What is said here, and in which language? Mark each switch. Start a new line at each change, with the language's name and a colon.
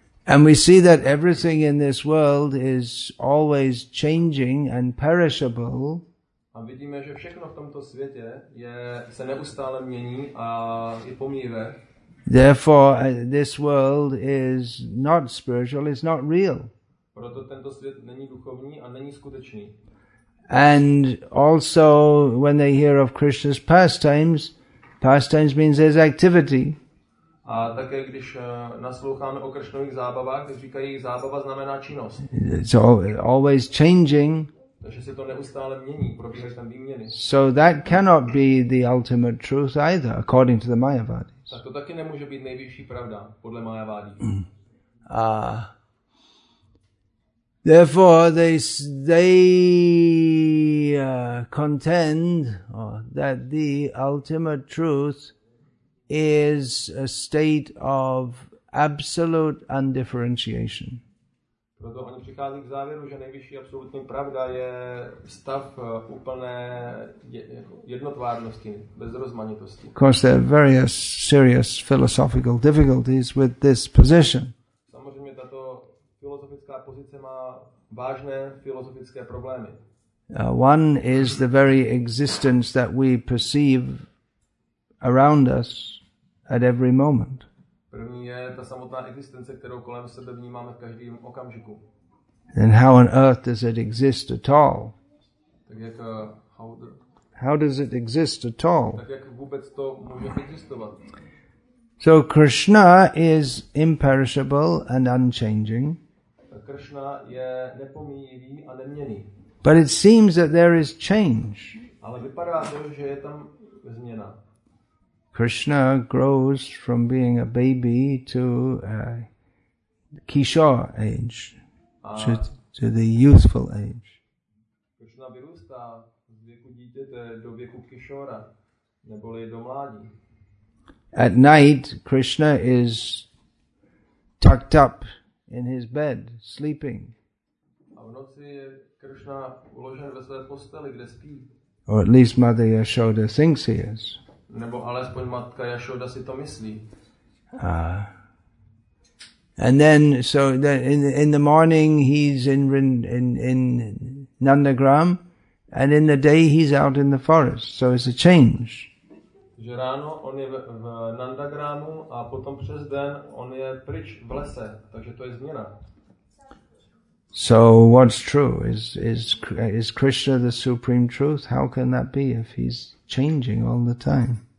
English: And we see that everything in this world is always changing and perishable.
Czech: A vidíme, že všechno v tomto světě se neustále mění a je pomíjivé.
English: Therefore, this world is not spiritual, it's not real.
Czech: Proto tento svět není duchovní a není skutečný.
English: And also, when they hear of Krishna's pastimes, pastimes means there's activity.
Czech: A také když nasloucháme o Krishnových zábavách, tak říkají, zábava znamená činnost.
English: It's always changing.
Czech: Takže se to neustále mění, probíhají tam výměny.
English: So that cannot be the ultimate truth either, according to the Mayavadis.
Czech: Tak to taky nemůže být nejvyšší pravda, podle Mayavadí.
English: Therefore, they contend that the ultimate truth is a state of absolute undifferentiation.
Czech: Proto oni přichází k závěru, že nejvyšší absolutní pravda je stav úplné jednotvárnosti, bez rozmanitosti.
English: Of course, there are various serious philosophical difficulties with this position.
Czech: Samozřejmě tato filozofická pozice má vážné filozofické problémy.
English: One is the very existence that we perceive around us at every moment.
Czech: První je ta samotná existence, kterou kolem sebe vnímáme v každém okamžiku.
English: And how on earth does it exist at all?
Czech: Tak jak,
English: how does it exist at all?
Czech: Tak jak vůbec to může existovat?
English: So Krishna is imperishable and unchanging.
Czech: Krishna je nepomíjivý a neměnný.
English: But it seems that there is change.
Czech: Ale vypadá to, že je tam změna.
English: Krishna grows from being a baby to a kishore age, to the youthful age.
Czech: Krishna vyrůstá z věku dítěte do věku kishora, neboli do mládí.
English: At night, Krishna is tucked up in his bed, sleeping.
Czech: A v noci je Krishna uložen ve své posteli, kde spí.
English: Or at least Mother Yashoda thinks he is.
Czech: Nebo alespoň matka Yashoda si to myslí.
English: And then so in the morning he's in Nandagram and in the day he's out in the forest. So it's a change.
Czech: Že ráno on je v Nandagramu a potom přes den on je pryč v lese. Takže to je změna.
English: So what's true is Krishna the supreme truth? How can that be if he's changing all the time?